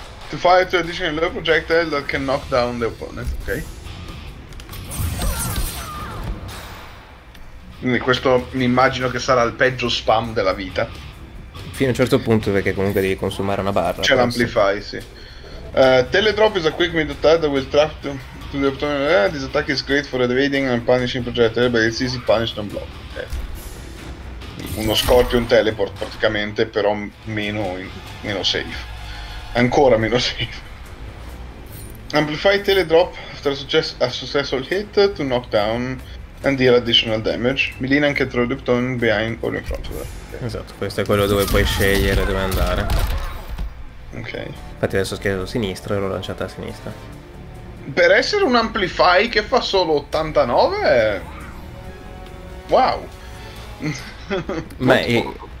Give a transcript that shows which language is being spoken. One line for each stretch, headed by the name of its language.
English: To fire two additional low projectile that can knock down the opponent, ok?
Italian: Quindi questo mi immagino che sarà il peggio spam della vita. C'è Fino a un certo punto, perché comunque devi consumare una barra, però sì. l'amplify, sì.
English: Teledrop is a quick mid attack that will trap to the opponent. This attack is great for evading and punishing projectile, but it's easy punish and block.
Italian: Uno scorpion teleport praticamente, però meno safe. Ancora meno safe.
English: Amplify teledrop after a successful hit to knock down and deal additional damage. Melina can throw the opponent behind or in front of
Italian: Esatto, questo è quello dove puoi scegliere dove andare.
English: her. Ok.
Italian: Infatti adesso ho schiacciato sinistra e l'ho lanciata a sinistra. Per essere un amplify che fa solo 89, wow! Ma Molto poco.